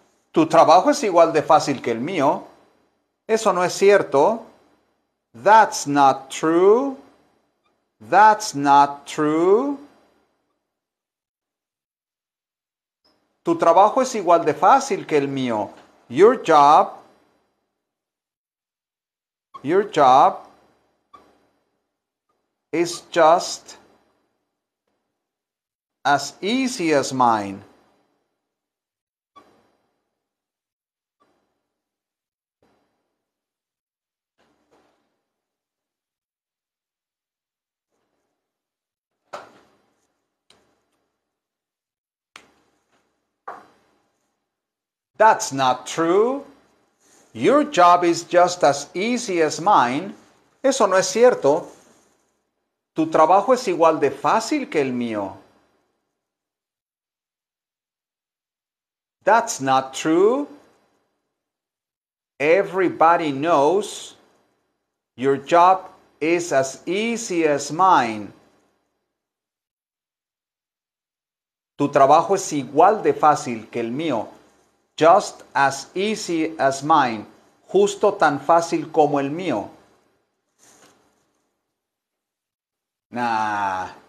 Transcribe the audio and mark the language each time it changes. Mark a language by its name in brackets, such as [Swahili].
[Spanish] Tu trabajo es igual de fácil que el mío. Eso no es cierto. [English] That's not true. That's not true. [Spanish] Tu trabajo es igual de fácil que el mío. [English] Your job is just as easy as mine. That's not true. Your job is just as easy as mine. [Spanish] Eso no es cierto. Tu trabajo es igual de fácil que el mío. [English] That's not true. Everybody knows your job is as easy as mine. [Spanish] Tu trabajo es igual de fácil que el mío. [English] Just as easy as mine. [Spanish] Justo tan fácil como el mío. Nah.